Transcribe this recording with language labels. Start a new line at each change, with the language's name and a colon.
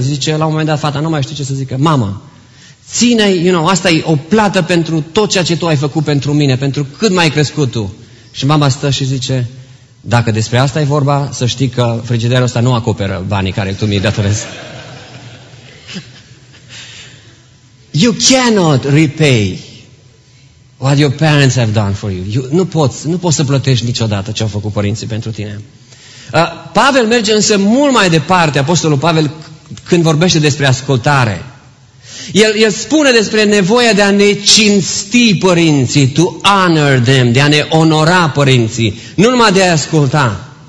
Romanian: Zice, la un moment dat, fata, nu mai știu ce să zică, mama, ține,
English: you know,
Romanian: asta e o plată pentru tot ceea ce tu ai făcut pentru mine, pentru cât m-ai crescut tu. Și mama stă și zice, dacă despre asta e vorba, să știi că frigiderul ăsta nu acoperă banii care tu mi-i datorezi.
English: You cannot repay what your parents have done for you.
Romanian: Nu poți să plătești niciodată ce au făcut părinții pentru tine. Pavel merge însă mult mai departe, apostolul Pavel, când vorbește despre ascultare. El spune despre nevoia de a ne cinsti părinții,
English: to honor them,
Romanian: de a ne onora părinții, nu numai de a asculta.